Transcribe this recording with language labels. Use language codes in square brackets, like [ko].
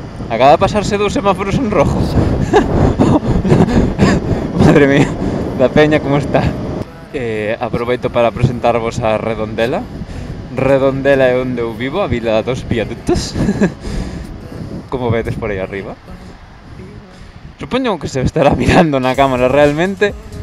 [es] Acaba de pasarse dos semáforos en rojo. Madre mía, la peña, ¿cómo está? [gl] Aproveito para presentarvos a Redondela. Redondela é onde eu vivo, a vila dos viadutos. Como vedes por aí arriba. Supoño que se estará mirando na cámara realmente.